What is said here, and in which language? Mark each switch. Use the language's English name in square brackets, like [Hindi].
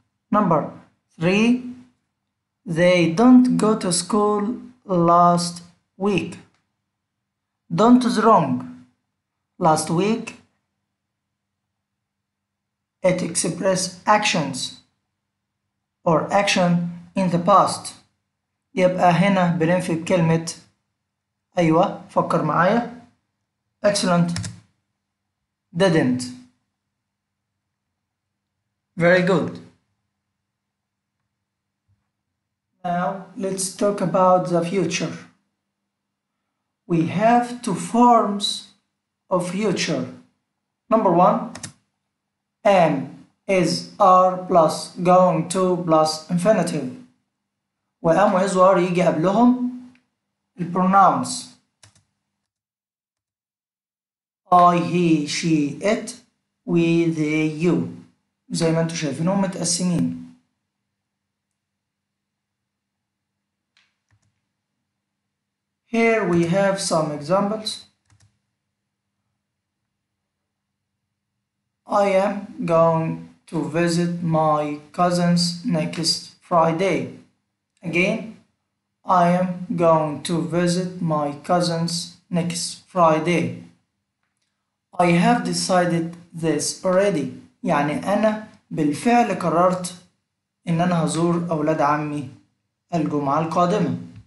[English] Number three. They don't go to school last week. Don't is wrong. Last week, it expresses actions or action in the past. [Arabic] يبقى هنا بننفي بكلمة أيوة فكر معايا. [English] Excellent. Didn't. Very good. Now, let's talk about the future. We have two forms of future. Number one, am is are plus going to plus infinitive. وام وهز وار [Arabic] يجي قبلهم البرونونس. [English] I, he, she, it, we, they, you. [Arabic] زي ما انتم شايفينهم متقسمين. [English] Here we have some examples. I am going to visit my cousins next Friday. Again, I am going to visit my cousins next Friday. I have decided this already. [Arabic] يعني أنا بالفعل قررت إن أنا هزور أولاد عمي الجمعة القادمة.